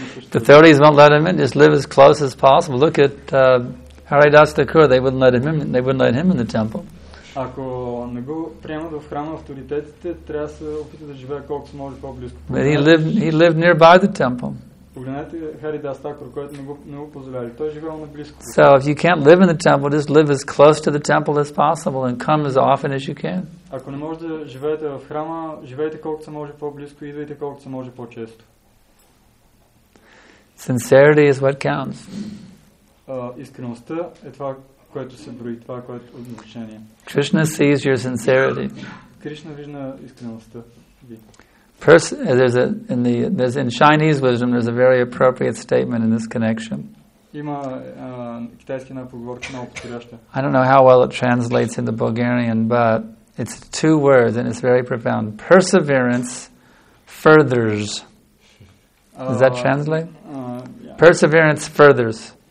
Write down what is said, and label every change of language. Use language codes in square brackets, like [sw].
[en] The authorities won't let him in, just live as close as possible. Look at Haridas Thakur, they wouldn't let him in, they wouldn't let him in the temple. [bg] Ако не го приемат в храма авторитетите, трябва да се опита да живее колкото може по-близко. [en] He lived nearby the temple. [bg] Погледнете Харидас Такур, който не го позволява. Той е живеел наблизко. [en] So if you can't live in the temple, just live as close to the temple as possible and come as often as you can. [bg] Ако не можете да живеете в храма, живейте колкото може по-близко и идвайте колкото може по-често. [en] Sincerity is what counts. [bg] Искреността е това, което се брои, това, което е значение. [en] Krishna sees your sincerity. [bg] Krishna вижда искреността ви. [en] In Chinese wisdom, there's a very appropriate statement in this connection. [bg] Има китайски една поговорка, много подходяща. [en] I don't know how well it translates into Bulgarian, but it's two words and it's very profound. Perseverance furthers. Does that translate? Yeah. Perseverance furthers.